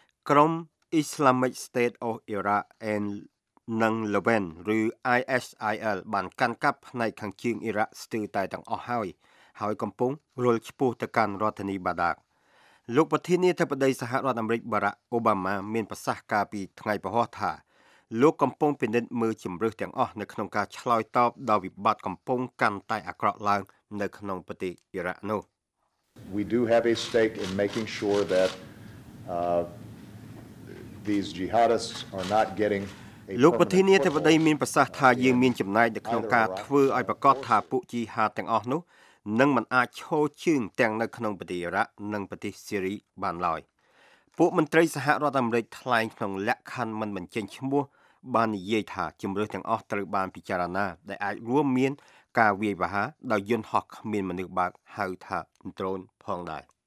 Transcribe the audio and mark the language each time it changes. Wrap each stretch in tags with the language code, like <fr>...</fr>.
<km>ក្រុមIslamic State of Iraq and Nang Levant ឬ ISIL បានកាន់កាប់ផ្នែកខាងជើងអ៊ីរ៉ាក់ស្ទើរតែទាំងអស់ហើយហើយកំពុងរុលឈ្មោះទៅកាន់រដ្ឋធានីបាដាកលោកប្រធានាធិបតីសហរដ្ឋអាមេរិកបារ៉ាក់អូបាម៉ាមានប្រសាសន៍កាលពីថ្ងៃពុធថាលោកកំពុងពិនិត្យមើលជម្រើសទាំងអស់នៅក្នុងការឆ្លើយតបដល់វិបត្តិកំពុងកាន់តែអាក្រក់ឡើងនៅក្នុងប្រទេសអ៊ីរ៉ាក់នោះ</km> <en>We do have a stake in making sure that these jihadists are not getting</en> <km>លោកប្រធានាធិបតីមានប្រសាសន៍ថាយើងមានចំណែកក្នុងការធ្វើឲ្យប្រកាសថាពួកជីហាទាំងអស់នោះនឹងមិនអាចឈរជើងទាំងនៅក្នុងប្រទេសអ៊ីរ៉ាក់និងប្រទេសសេរីបានឡើយពួកមន្ត្រីសហរដ្ឋអាមេរិកថ្លែងក្នុងលក្ខខណ្ឌមិនបញ្ចេញឈ្មោះបាននិយាយថាជំរឿសទាំងអស់ត្រូវបានពិចារណាដែលអាចរួមមានការវាយប្រហារដោយយន្តហោះគ្មានមនុស្សបើកហៅថាដ្រូនផងដែរ</km>